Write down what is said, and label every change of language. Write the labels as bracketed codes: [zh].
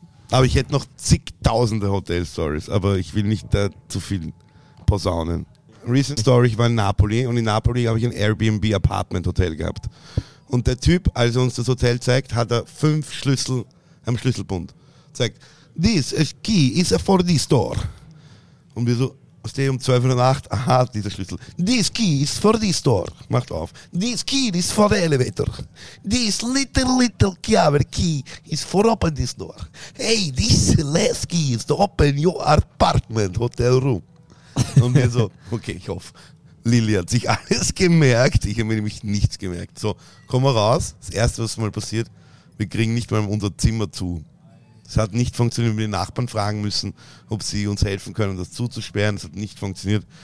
[de] Aber ich hätte noch zigtausende Hotel-Stories, aber ich will nicht da zu viel posaunen. [en] Recent Story, [de] ich war in Napoli und in Napoli habe ich ein Airbnb-Apartment-Hotel gehabt. Und der Typ, als er uns das Hotel zeigt, hat er 5 Schlüssel am Schlüsselbund. Zeigt, [en] this key is for this door. [de] Und wir so, stehen um 12 Uhr nachts, aha, dieser Schlüssel. [en] This key is for this door. [de] Macht auf. [en] This key is for the elevator. This little cover key is for open this door. Hey, this last key is to open your apartment hotel room. [de] Und wir so, okay, ich hoffe, Lilly hat sich alles gemerkt. Ich habe mir nämlich nichts gemerkt. So, kommen wir raus. Das erste, was mal passiert, wir kriegen nicht mal unser Zimmer zu. Es hat nicht funktioniert, wir haben die Nachbarn fragen müssen, ob sie uns helfen können, das zuzusperren. Es hat nicht funktioniert.